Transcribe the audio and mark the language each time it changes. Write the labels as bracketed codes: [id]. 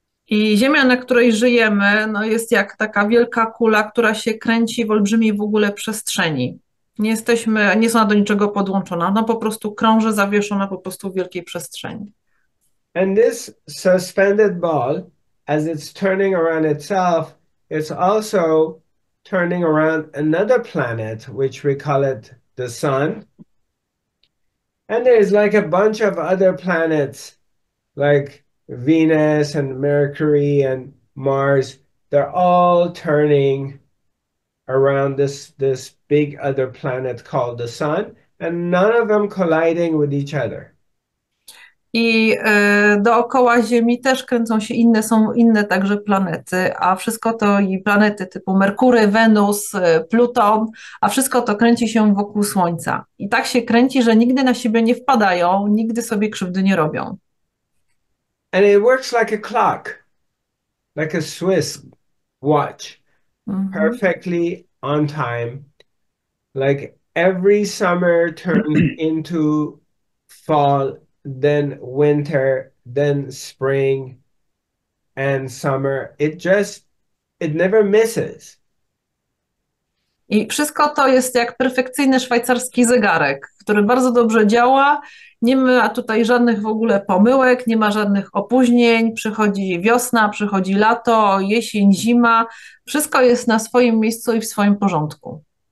[pl] I Ziemia, na której żyjemy, no jest jak taka wielka kula, która się kręci w olbrzymiej w ogóle przestrzeni. Nie jesteśmy, nie są do niczego podłączona. No po prostu krąży zawieszona po prostu w wielkiej przestrzeni. [en] And this suspended ball as it's turning around itself, it's also turning around another planet, which we call it the sun. And there's like a bunch of other planets like Venus and Mercury and Mars. They're all turning around this big other planet called the sun, and none of them colliding with each other. [pl] I dookoła Ziemi też kręcą się inne, są inne także planety, a wszystko to i planety typu Merkury, Wenus, Pluton, a wszystko to kręci się wokół Słońca. I tak się kręci, że nigdy na siebie nie wpadają, nigdy sobie krzywdy nie robią. [en] And it works like a clock, like a Swiss watch, perfectly on time, like every summer turns into fall, then winter, then spring and summer. It never misses. [pl] I wszystko to jest jak perfekcyjny szwajcarski zegarek, który bardzo dobrze działa. Nie ma tutaj żadnych w ogóle pomyłek, nie ma żadnych opóźnień. Przychodzi wiosna, przychodzi lato, jesień, zima. Wszystko jest na swoim miejscu i w swoim porządku.